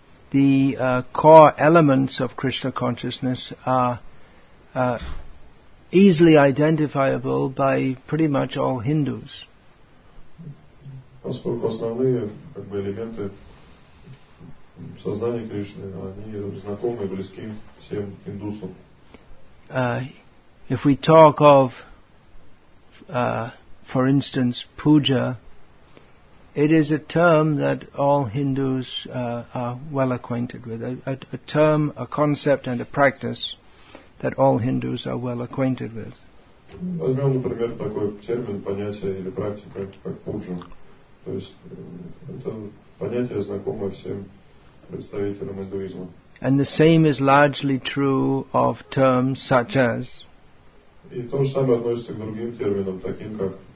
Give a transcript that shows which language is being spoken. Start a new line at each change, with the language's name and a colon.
English: The core elements of Krishna consciousness are easily identifiable by pretty much all Hindus.
Russian: Поскольку основные, как бы, элементы сознания Кришны, они знакомы и близки всем индусам.
English: If we talk of, for instance, puja, it is a term that all Hindus are well acquainted with. A term, a concept, and a practice that all Hindus are well acquainted with.
Russian: Возьмем, например, такой термин, понятие или практика, как пуджа. То есть это понятие знакомое всем представителям индуизма.
English: And the same is largely true of terms such as.
Russian: И то же самое относится к другим терминам, таким как.